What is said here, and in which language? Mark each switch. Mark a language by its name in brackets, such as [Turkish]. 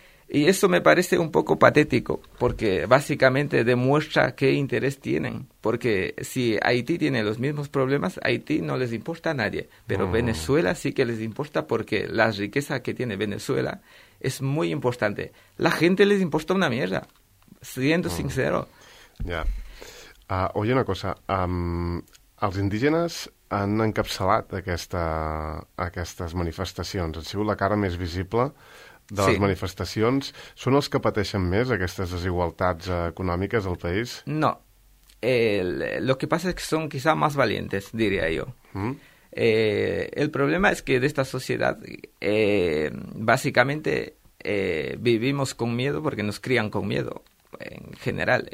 [Spanish] Y eso me parece un poco patético, porque básicamente demuestra qué interés tienen. Porque si Haití tiene los mismos problemas, Haití no les importa a nadie. Pero Venezuela sí que les importa, porque la riqueza que tiene Venezuela es muy importante. La gente les importa una mierda, siendo sincero. Ya. Oye, una cosa. [Catalan] Els indígenes han encapçalat aquestes manifestacions. Han sigut la cara més visible de les manifestacions. Són els que pateixen més aquestes desigualtats econòmiques del país? No. [Spanish] Lo que pasa es que son quizá más valientes, diría yo. El problema es que de esta sociedad, básicamente, vivimos con miedo porque nos crían con miedo, en general.